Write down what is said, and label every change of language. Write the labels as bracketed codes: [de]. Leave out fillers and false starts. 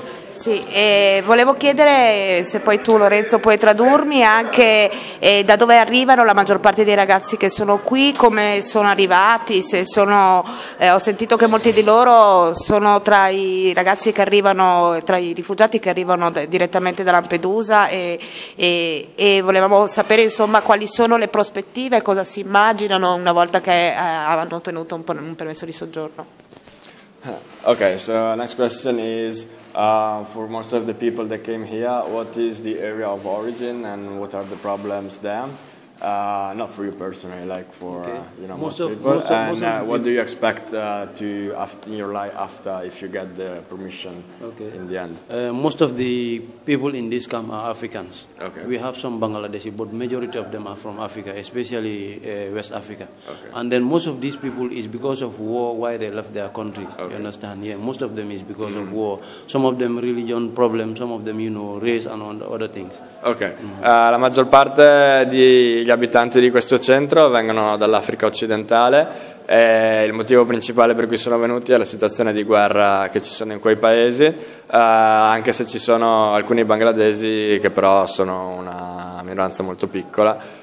[it] Sì, volevo chiedere se poi tu Lorenzo puoi tradurmi anche da dove arrivano la maggior parte dei ragazzi che sono qui, come sono arrivati, se sono, ho sentito che molti di loro sono tra i ragazzi che arrivano, tra i rifugiati che arrivano direttamente da Lampedusa, e volevamo sapere insomma quali sono le prospettive, cosa si immaginano una volta che hanno ottenuto un permesso di soggiorno. [en] Ok, so next question is, for most of the people that came here, what is the area of origin and what are the problems there? Not for you personally, like for you know, what do you expect to have in your life after if you get the permission in the end? Most of the people in this camp are Africans. Okay. We have some Bangladeshi, but majority of them are from Africa, especially West Africa. Okay. And then most of these people is because of war why they left their countries. Okay. You understand? Yeah, most of them is because of war. Some of them religion problems, some of them, you know, race and other things. Okay. [it] La maggior parte di gli abitanti di questo centro vengono dall'Africa occidentale e il motivo principale per cui sono venuti è la situazione di guerra che ci sono in quei paesi, anche se ci sono alcuni bangladesi che però sono una minoranza molto piccola.